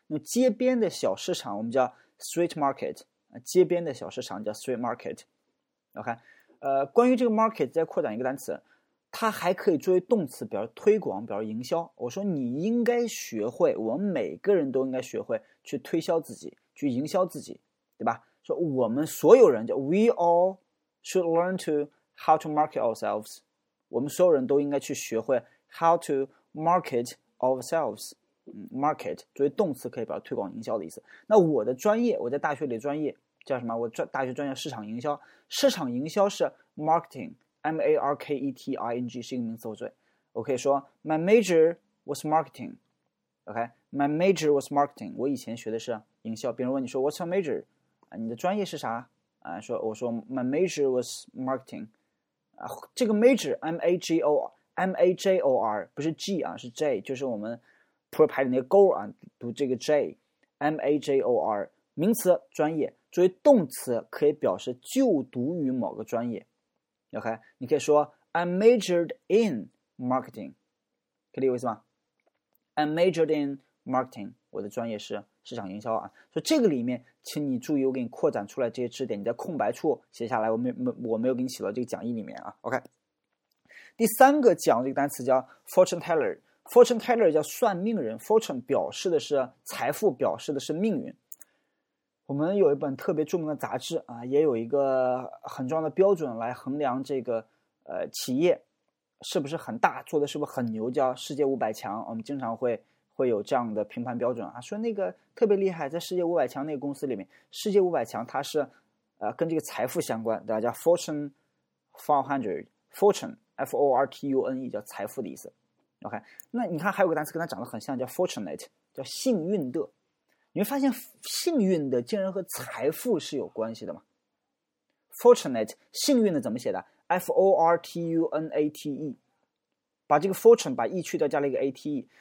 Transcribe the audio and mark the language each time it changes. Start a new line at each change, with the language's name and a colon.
Chinese: 街边的小市场我们叫 street market， 街边的小市场叫 street market。 OK， 关于这个 market 再扩展一个单词，它还可以作为动词表示推广，表示营销。我说你应该学会，我们每个人都应该学会去推销自己，去营销自己，对吧？
English: 说我们所有人叫 we all should learn to how to market ourselves，
Chinese: 我们所有人都应该去学会 how to market ourselves。 Market 作为动词可以表示推广营销的意思。那我的专业，我在大学里的专业叫什么？我大学专业市场营销，市场营销是 marketing，M-A-R-K-E-T-I-N-G 是一个名词。
English: 我可以说 my major was marketing。 OK， my major was marketing。
Chinese: 我以前学的是营销。别人问你说 what's your major？啊，你的专业是啥？
English: 啊，说我说 my major was marketing。
Chinese: 啊，这个 major M-A-J-O-R 不是 G 啊，是 J， 就是我们。不是排的那个勾啊，读这个 J-M-A-J-O-R 名词专业，作为动词可以表示就读于某个专业。 OK， 你可以说 I majored in marketing，可以理解我意思吗？ I majored in marketing，我的专业是市场营销啊。所以这个里面请你注意，我给你扩展出来这些知识点，你在空白处写下来，我没有给你写到这个讲义里面啊。 OK， 第三个讲这个单词叫 fortune tellerFortune teller 叫算命人 ，fortune 表示的是财富，表示的是命运。我们有一本特别著名的杂志啊，也有一个很重要的标准来衡量这个企业是不是很大，做的是不是很牛，叫世界五百强。我们经常会有这样的评判标准啊，说那个特别厉害，在世界五百强那个公司里面，世界五百强它是跟这个财富相关，对吧？叫 Fortune 500，Fortune F O R T U N E 叫财富的意思。 OK， 那你看还有个单词跟它长得很像，叫 fortunate， 叫幸运的。你会发现幸运的竟然和财富是有关系的吗？ fortunate 幸运的怎么写的？f-o-r-t-u-n-a-t-e， 把这个 fortune 把 e 去掉加了一个 a-t-e。